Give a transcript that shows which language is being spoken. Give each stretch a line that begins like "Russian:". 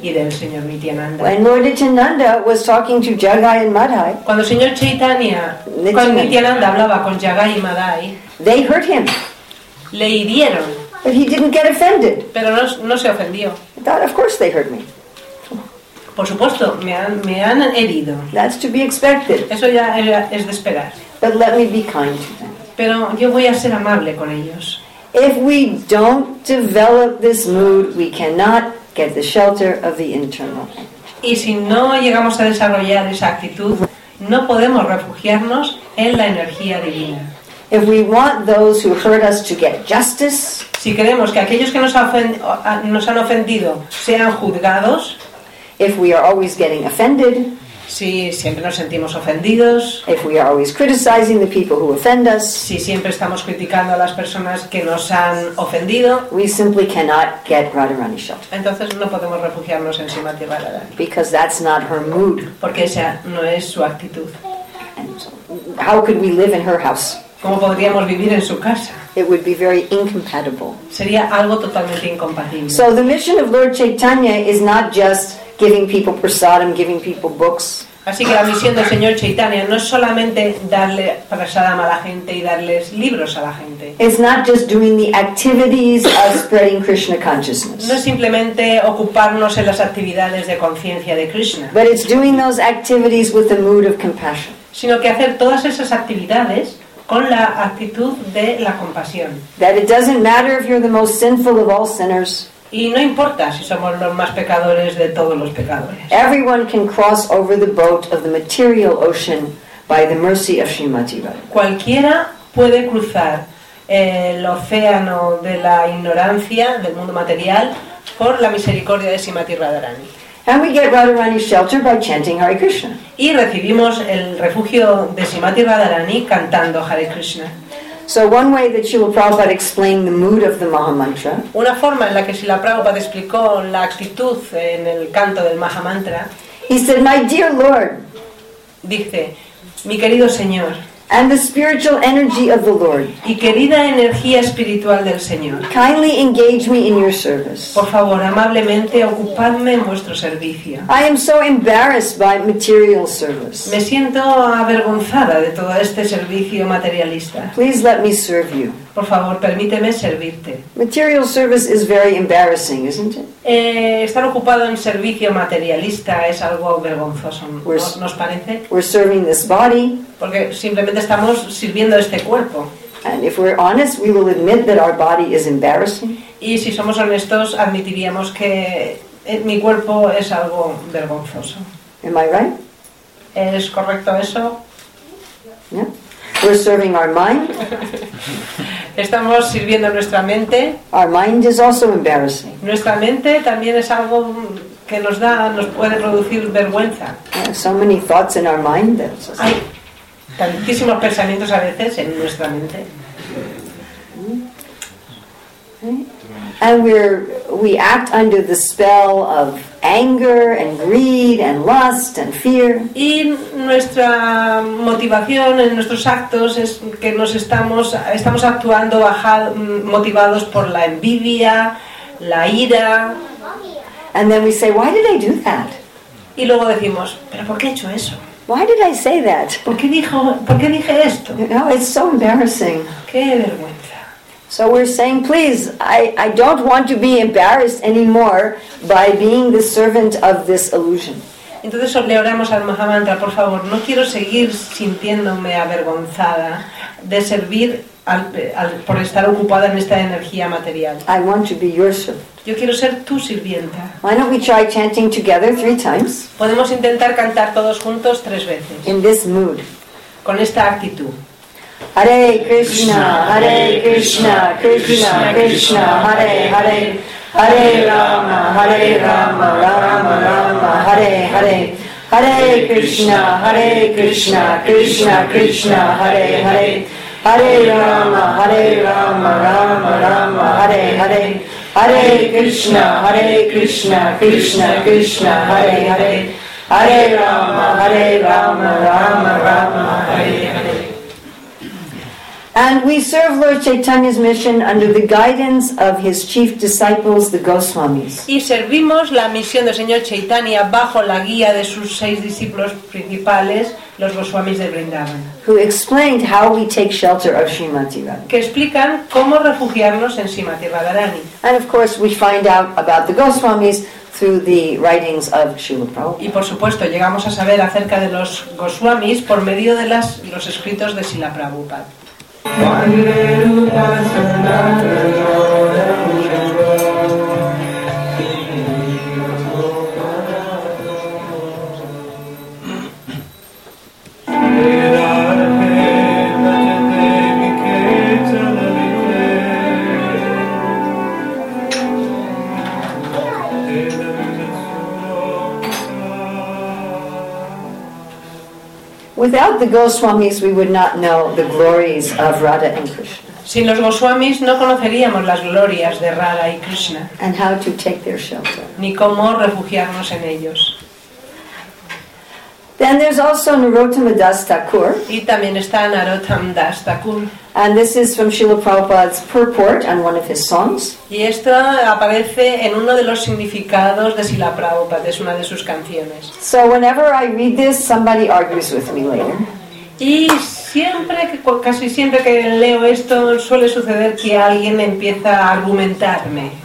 Spanish: Y del Señor Nityananda.
English: When Lord Nityananda was talking to Jagai and Madhai,
Spanish: cuando el Señor Chaitanya, cuando Nityananda hablaba con Jagai y Madhai,
English: they hurt him.
Spanish: Le hirieron.
English: But he didn't get offended.
Spanish: Pero no se ofendió.
English: He thought, of course they hurt me.
Spanish: Por supuesto, me han herido.
English: That's to be expected.
Spanish: Eso ya es de esperar.
English: But let me be kind to them.
Spanish: Pero yo voy a ser amable con ellos.
English: If we don't develop this mood, we cannot get the shelter of the internal.
Spanish: Y si no llegamos a desarrollar esa actitud, no podemos refugiarnos en la energía divina.
English: If we want those who hurt us to get justice,
Spanish: si queremos que aquellos que nos han ofendido sean juzgados,
English: if we are always getting offended,
Spanish: si siempre nos sentimos ofendidos,
English: if we are always criticizing the people who offend us,
Spanish: si siempre estamos criticando a las personas que nos han ofendido,
English: we simply cannot get Radharani shelter.
Spanish: Entonces no podemos refugiarnos en Srimati Radharani.
English: Because that's not her mood.
Spanish: Porque esa no es su actitud.
English: How could we live in her house?
Spanish: ¿Cómo podríamos vivir en su casa?
English: It would be very incompatible.
Spanish: Sería algo totalmente incompatible.
English: So the mission of Lord Chaitanya is not just giving people prasadam, giving people books.
Spanish: Así que la misión del Señor Chaitanya no es solamente darle prasadam a la gente y darles libros a la gente.
English: It's not just doing the activities of spreading Krishna consciousness.
Spanish: No es simplemente ocuparnos en las actividades de conciencia de Krishna.
English: But it's doing those activities with the mood of compassion.
Spanish: Sino que hacer todas esas actividades con la actitud de la compasión.
English: That it doesn't matter if you're the most sinful of all sinners.
Spanish: Y no importa si somos los más pecadores de todos los pecadores.
English: Everyone can cross over the boat of the material ocean by the mercy of Srimati Radha.
Spanish: Cualquiera puede cruzar el océano de la ignorancia del mundo material por la misericordia de Srimati Radharani.
English: And we get Radharani's shelter by chanting Hare Krishna.
Spanish: Y recibimos el refugio de Srimati Radharani cantando Hare Krishna.
English: So one way that Srila Prabhupada explained the mood of the Maha Mantra.
Spanish: Una forma en la que Srila Prabhupada explicó la actitud en el canto del Maha Mantra.
English: He said, "My dear Lord."
Spanish: Dice, mi querido señor.
English: And the spiritual energy of the Lord.
Spanish: Y querida energía espiritual del Señor.
English: Kindly engage me in your service.
Spanish: Por favor, amablemente ocupadme en vuestro servicio.
English: I am so embarrassed by material service.
Spanish: Me siento avergonzada de todo este servicio materialista.
English: Please let me serve you.
Spanish: Por favor, permíteme servirte.
English: Material service is very embarrassing, isn't it?
Spanish: Estar ocupado en servicio materialista es algo vergonzoso, ¿nos parece?
English: We're serving this body.
Spanish: Porque simplemente estamos sirviendo este cuerpo.
English: And if we're honest, we will admit that our body is embarrassing.
Spanish: Y si somos honestos, admitiríamos que mi cuerpo es algo vergonzoso.
English: Am I right?
Spanish: ¿Es correcto eso?
English: Yeah. We're serving our mind.
Spanish: Estamos sirviendo nuestra mente.
English: Our mind is also embarrassing.
Spanish: Nuestra mente también es algo que nos puede producir vergüenza.
English: Yeah, so many thoughts in our mind. That's
Spanish: just... Tantísimos pensamientos a veces en nuestra mente.
English: And we act under the spell of anger and greed and lust and fear.
Spanish: Y nuestra motivación en nuestros actos es que nos estamos actuando motivados por la envidia, la ira.
English: And then we say, why did I do that?
Spanish: Y luego decimos, ¿pero por qué he hecho eso?
English: Why did I say that?
Spanish: ¿Por qué dije esto?
English: No, it's so embarrassing.
Spanish: Qué vergüenza.
English: So we're saying, please, I don't want to be embarrassed anymore by being the servant of this illusion.
Spanish: Entonces le oramos al Mahamantra, por favor, no quiero seguir sintiéndome avergonzada de servir por estar ocupada en esta energía material.
English: I want to be your servant.
Spanish: Yo quiero ser tu sirvienta.
English: Why don't we try chanting together 3 times?
Spanish: Podemos intentar cantar todos juntos 3 veces.
English: In this mood.
Spanish: Con esta actitud.
Sanskrit: Hare Krishna, Hare Krishna, Krishna Krishna, Hare Hare, Hare Rama, Hare Rama, Rama Rama, Hare Hare. Hare Krishna, Hare Krishna, Krishna Krishna, Hare Hare. Hare Rama, Hare Rama, Rama Rama, Hare Hare. Hare Krishna, Krishna Krishna, Hare Hare. Hare Rama, Hare Rama, Rama Rama, Hare Hare.
English: And we serve Lord Chaitanya's mission under the guidance of his chief disciples, the Goswamis.
Spanish: Y servimos la misión del señor Chaitanya bajo la guía de sus seis discípulos principales, los Goswamis de Vrindavan.
English: Who explained how we take shelter of Srimati Radharani.
Spanish: Que explican cómo refugiarnos en Srimati Radharani.
English: And of course we find out about the Goswamis through the writings of Srila Prabhupada.
Spanish: Y por supuesto llegamos a saber acerca de los Goswamis por medio de los escritos de Srila Prabhupada.
English: Without the Goswamis, we would not know the glories of Radha and Krishna.
Spanish: Sin los Goswamis, no conoceríamos las glorias de Radha y Krishna.
English: And how to take their shelter.
Spanish: Ni cómo refugiarnos en ellos.
English: Then there's also Narottama Das Thakur.
Spanish: Y también está Narottama Das Thakur.
English: And this is from Srila Prabhupada's purport on one of his songs.
Spanish: Y esto aparece en uno de los significados de Srila Prabhupada, es una de sus canciones.
English: So whenever I read this, somebody argues with me later.
Spanish: Y siempre, casi siempre que leo esto, suele suceder que alguien empieza a argumentarme.